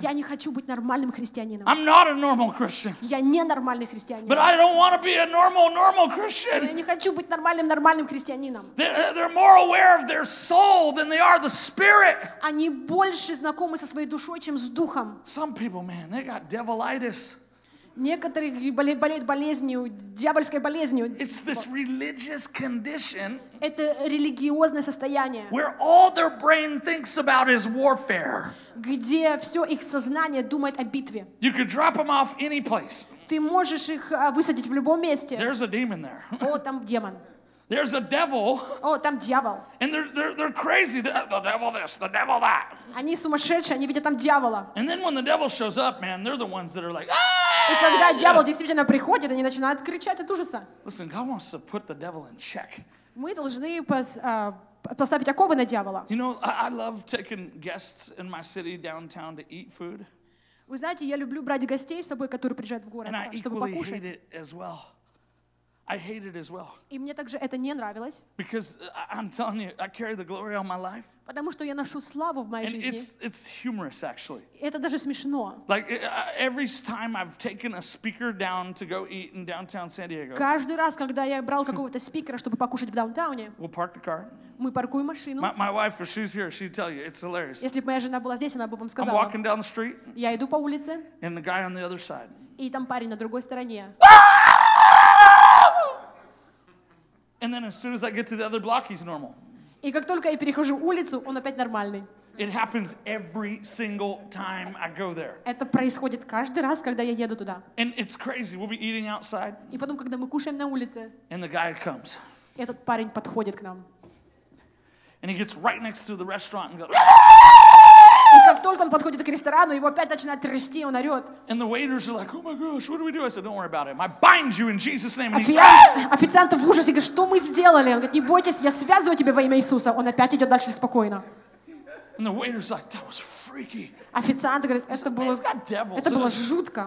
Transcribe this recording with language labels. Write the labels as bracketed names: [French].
[Russian] Я не хочу быть нормальным христианином. [English] I'm not a normal Christian. [Russian] Я не нормальный христианин. [English] But I don't want to be a normal Christian. [Russian] Но я не хочу быть нормальным христианином. [English] They're more aware of their soul than they are the spirit. [Russian] Они больше знакомы со своей душой, чем с духом. [English] Some people, man, they got devilitis. [Russian] Некоторые болеют болезнью, дьявольской болезнью. [English] It's this religious condition. [Russian] Это религиозное состояние. [English] Where all their brain thinks about is warfare. [Russian] Где все их сознание думает о битве. [English] You could drop them off any place. [Russian] Ты можешь их высадить в любом месте. [English] There's a demon there. [Russian] О, там демон. [English] There's a devil. [Russian] О, там дьявол. [English] And they're crazy. The devil this, the devil that. [Russian] Они сумасшедшие, они видят там дьявола. [English] And then when the devil shows up, man, they're the ones that are like, ah! [Russian] И когда дьявол действительно приходит, они начинают кричать от ужаса. [English] Listen, God wants to put the devil in check. [Russian] Мы должны поставить оковы на дьявола. [English] You know, I love taking guests in my city downtown to eat food. [Russian] Вы знаете, я люблю брать гостей с собой, которые приезжают в город, чтобы покушать. [English] I hate it as well. [Russian] И мне также это не нравилось. [English] Because I'm telling you, I carry the glory on my life. [Russian] Потому что я ношу славу в моей жизни. [English] And it's humorous, actually. [Russian] Это даже смешно. [English] Like every time I've taken a speaker down to go eat in downtown San Diego. [Russian] Каждый раз, когда я брал какого-то спикера, чтобы покушать в даунтауне. [English] We'll park the car. [Russian] Мы паркуем машину. [English] My wife, if she's here, she'd tell you it's hilarious. [Russian] Если бы моя жена была здесь, она бы вам сказала. [English] I'm walking down the street. [Russian] Я иду по улице. [English] And the guy on the other side. [Russian] И там парень на другой стороне. [English] And then as soon as I get to the other block, he's normal. [Russian] И как только я перехожу улицу, он опять нормальный. [English] It happens every single time I go there. [Russian] Это происходит каждый раз, когда я еду туда. [English] And it's crazy. We'll be eating outside. [Russian] И потом, когда мы кушаем на улице. [English] And the guy comes. [Russian] Этот парень подходит к нам. [English] And he gets right next to the restaurant and goes. [Russian] И как только он подходит к ресторану, его опять начинает трясти, он орет. [English] And the waiters are like, "Oh my gosh, what do we do?" I said, "Don't worry about him. I bind you in Jesus' name." [Russian] Официанты в ужасе говорят, что мы сделали? Он говорит, не бойтесь, я связываю тебя во имя Иисуса. Он опять идет дальше спокойно. [English] And the waiters like, "That was freaky." [Russian] Официанты говорят, это было жутко.